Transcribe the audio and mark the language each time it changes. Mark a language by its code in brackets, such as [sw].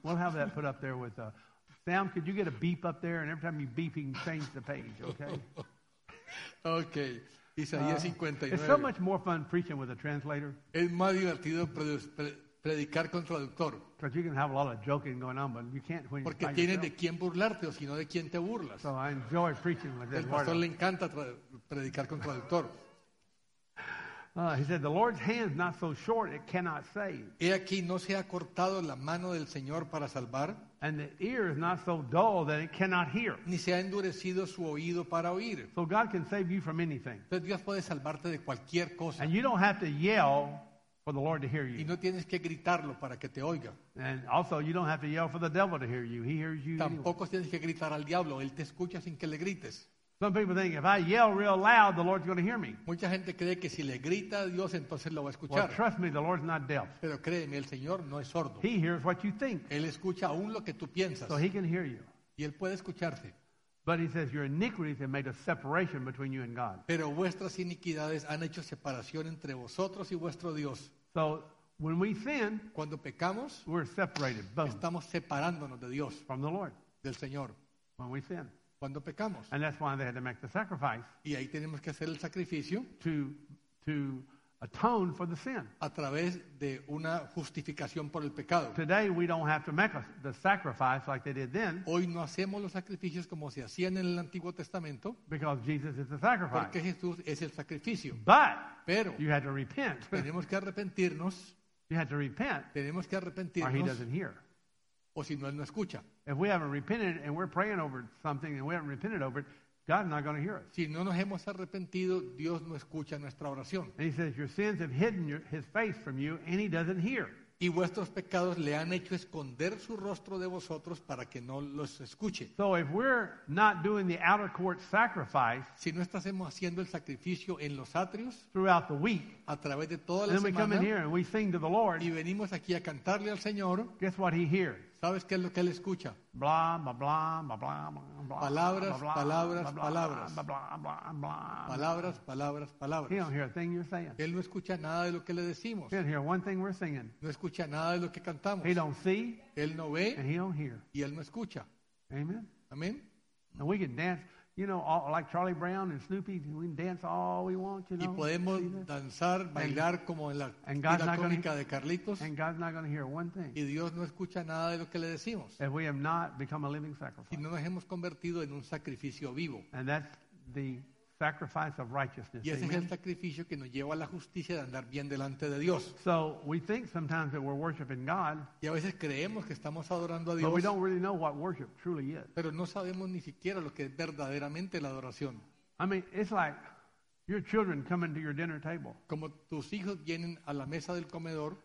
[en] We'll have that put up there with a... Sam, could you get a beep up there? And every time you beep, he can change the page, okay? Okay. Isaiah 59. It's so much more fun preaching with a translator. [es] Es más divertido predicar con traductor. [en] Because you can have a lot of joking going on, but you can't when you're [es] Porque tienes de quién burlarte, o si no, de quién te burlas. [en] So I enjoy preaching with this [es] pastor. El pastor le encanta predicar con traductor. [en] He said, the Lord's hand is not so short, it cannot save. [es] He aquí, no se ha cortado la mano del Señor para salvar. [en] And the ear is not so dull that it cannot hear. [es] Ni se ha endurecido su oído para oír. [en] So God can save you from anything. [es] Entonces Dios puede salvarte de cualquier cosa. [en] And you don't have to yell for the Lord to hear you. [es] Y no tienes que gritarlo para que te oiga. [en] And also you don't have to yell for the devil to hear you. He hears you [es] Tampoco Tampoco tienes que gritar al diablo. Él te escucha sin que le grites. [en] Some people think if I yell real loud, the Lord's going to hear me. [es] Mucha gente cree que si le grita a Dios, entonces lo va a escuchar. [en] Well, trust me, the Lord's not deaf. [es] Pero créeme, el Señor no es sordo. [en] He hears what you think. [es] Él escucha aún lo que tú piensas. [en] So he can hear you. [es] Y él puede escucharte. [en] But he says, your iniquities have made a separation between you and God. [es] Pero vuestras iniquidades han hecho separación entre vosotros y vuestro Dios. [en] So when we sin, [es] cuando pecamos, [en] we're separated. Boom. [es] Estamos separándonos de Dios. [en] From the Lord. [es] Del Señor. [en] When we sin. [es] Cuando pecamos. [en] And that's why they had to make the sacrifice. [es] Y ahí tenemos que hacer el sacrificio. [en] To atone for the sin. [es] A través de una justificación por el pecado. [en] Today we don't have to make the sacrifice like they did then. [es] Hoy no hacemos los sacrificios como se hacían en el Antiguo Testamento. [en] Because Jesus is the sacrifice. [es] Porque Jesús es el sacrificio. [en] But [es] Pero [en] you had to repent. [es] Tenemos que arrepentirnos. [en] You had to repent. [es] Tenemos que arrepentirnos. [en] Or he doesn't hear. [es] O si no, él no escucha. [en] If we haven't repented and we're praying over something and we haven't repented over it, God's not going to hear us. [es] Si no nos hemos arrepentido, Dios no escucha nuestra oración. [en] And he says, your sins have hidden his face from you and he doesn't hear. [es] Y vuestros pecados le han hecho esconder su rostro de vosotros para que no los escuche. [en] So if we're not doing the outer court sacrifice, [es] si no estamos haciendo el sacrificio en los atrios, [en] throughout the week, [es] a través de toda la [en] then [es] semana, [en] we come in here and we sing to the Lord, [es] y venimos aquí a cantarle al Señor, [en] guess what he hears? [es] ¿Sabes qué es lo que él escucha? [en] Blah, blah, blah, blah, blah, blah, [es] palabras, [en] blah, [es] palabras, [en] blah, [es] palabras. [en] Blah, blah, blah, blah, blah, [es] palabras, palabras, palabras. [en] He don't hear a thing you're saying. [es] Él no escucha nada de lo que le decimos. [en] He don't hear one thing we're singing. [es] No escucha nada de lo que cantamos. [en] He don't see. [es] Él no ve. [en] And he don't hear. [es] Y él no escucha. [en] Amen. [es] Amen. [en] And we can dance, you know, all, like Charlie Brown and Snoopy, we can dance all we want, you know. [es] Y podemos danzar, bailar como en la vida cómica de Carlitos. [en] And God's not going to hear one thing. [es] Y Dios no escucha nada de lo que le decimos. [en] If we have not become a living sacrifice. [es] Y no nos hemos convertido en un sacrificio vivo. [en] And that's the sacrifice of righteousness. [es] Y ese es el sacrificio que nos lleva a la justicia de andar bien delante de Dios. [en] So we think sometimes that we're worshiping God. [es] Y a veces creemos que estamos adorando a Dios. [en] But we don't really know what worship truly is. [es] Pero no sabemos ni siquiera lo que es verdaderamente la adoración. [en] I mean, it's like your children coming to your dinner table. [es] Como tus hijos vienen a la mesa del comedor.